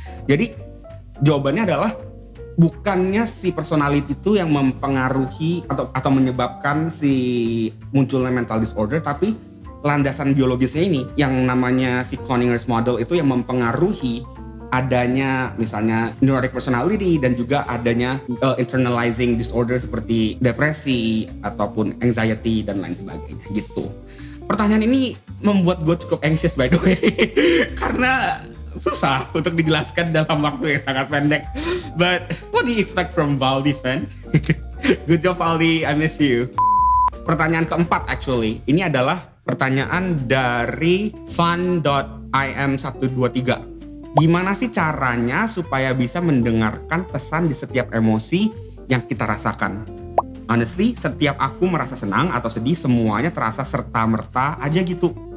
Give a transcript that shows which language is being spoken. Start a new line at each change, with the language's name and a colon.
Indonesian: Jadi jawabannya adalah bukannya si personality itu yang mempengaruhi atau menyebabkan si munculnya mental disorder, tapi landasan biologisnya ini yang namanya si Cloninger's model itu yang mempengaruhi adanya misalnya neurotic personality dan juga adanya internalizing disorder seperti depresi ataupun anxiety dan lain sebagainya gitu. Pertanyaan ini membuat gue cukup anxious
English: by the way
Indonesian: karena susah untuk dijelaskan dalam waktu yang sangat pendek.
English: But what do you expect from Valdi fan? Good job Valdi, I miss you.
Indonesian: Pertanyaan keempat
English: actually,
Indonesian: ini adalah pertanyaan dari fun.im123. Gimana sih caranya supaya bisa mendengarkan pesan di setiap emosi yang kita rasakan? Honestly, setiap aku merasa senang atau sedih, semuanya terasa serta-merta aja gitu.